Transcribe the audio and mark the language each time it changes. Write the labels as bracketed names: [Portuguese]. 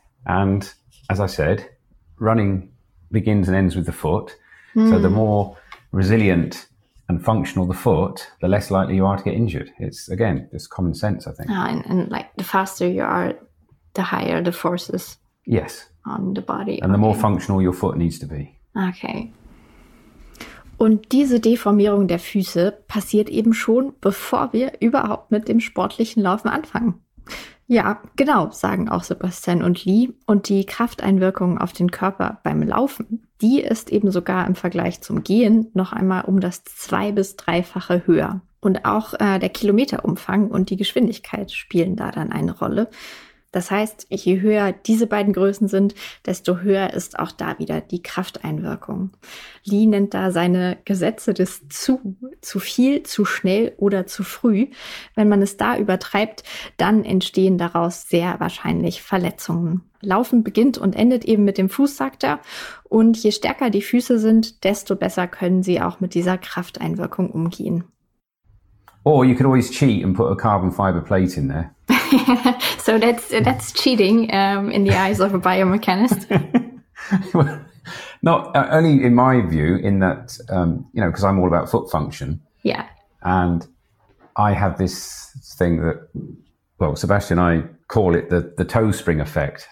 [English] And as I said, running begins and ends with the foot. Mm. So the more resilient and functional the foot, the less likely you are to get injured. It's, again, just common sense, I think. And like the faster you are, the higher the forces. Yes. On the body. And the more functional your foot needs to be. Okay. [German] Und diese Deformierung der Füße passiert eben schon, bevor wir überhaupt mit dem sportlichen Laufen anfangen. Ja, genau, sagen auch Sebastian und Lee. Und die Krafteinwirkung auf den Körper beim Laufen, die ist eben sogar im Vergleich zum Gehen noch einmal um das 2- bis 3-fache höher. Und auch der Kilometerumfang und die Geschwindigkeit spielen da dann eine Rolle. Das heißt, je höher diese beiden Größen sind, desto höher ist auch da wieder die Krafteinwirkung. Lee nennt da seine Gesetze des zu viel, zu schnell oder zu früh. Wenn man es da übertreibt, dann entstehen daraus sehr wahrscheinlich Verletzungen. Laufen beginnt und endet eben mit dem Fuß, sagt er. Und je stärker die Füße sind, desto besser können sie auch mit dieser Krafteinwirkung umgehen. [English] Or you could always cheat and put a carbon fiber plate in there. So that's cheating in the eyes of a biomechanist. Not only in my view, in that, you know, because I'm all about foot function. Yeah. And I have this thing that, well, Sebastian, I call it the toe spring effect.